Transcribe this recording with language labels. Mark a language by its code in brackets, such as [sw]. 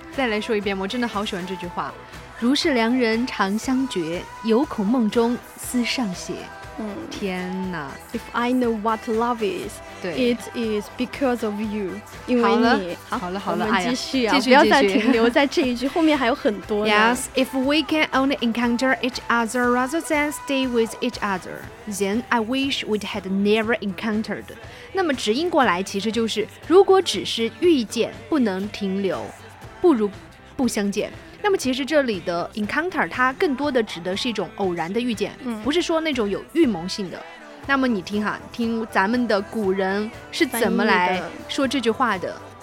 [zh] 再来说一遍，我真的好喜欢这句话，如是良人长相绝，有恐梦中思上邪。嗯、天哪， [en] If I know what love is， [zh] 对， [en] It is because of you， [zh] 因为你。好了我们继续啊、哎、继续不要再停留在这一句后面还有很多。 [en] Yes， If we can only encounter each other rather than stay with each other， Then I wish we'd had never encountered。 [zh] 那么直音过来其实就是，如果只是遇见不能停留，不如不相见。那么其实这里的 encounter 它更多的指的是一种偶然的遇见、嗯、不是说那种有预谋性的。那么你听哈，听咱们的古人是怎么来说这句话的。